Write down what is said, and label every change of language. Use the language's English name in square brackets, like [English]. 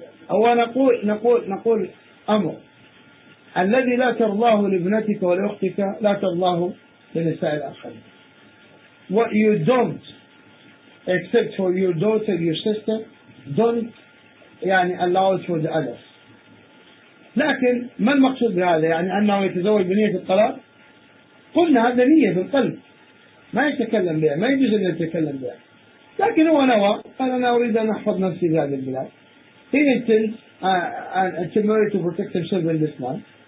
[Arabic] هو نقول أمر الذي لا ترضاه لابنتك ولأختك لا ترضاه لنساء الآخرين. [English] What you don't accept for your daughter, your sister, don't allow it for the others. [Arabic] لكن ما المقصود بهذا؟ أنه يتزوج بنية الطلاق؟ قلنا هذا نية في القلب ما يتكلم بها، ما يجوز أن يتكلم بها، لكن هو نوى، قال أنا أريد أن أحفظ نفسي في هذه البلاد. [English] He intends to marry to protect himself in this land.